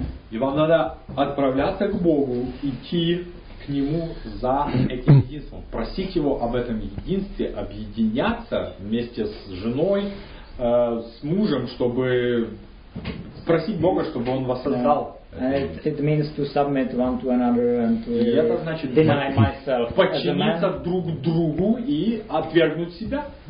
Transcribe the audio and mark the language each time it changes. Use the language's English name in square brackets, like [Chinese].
[Russian] И вам надо отправляться к Богу, идти к Нему за этим единством, просить Его об этом единстве, объединяться вместе с женой, с мужем, чтобы просить Бога, чтобы Он вас создал. [English] It means to submit one to another and to deny myself. [Russian] Подчиниться друг другу и отвергнуть себя.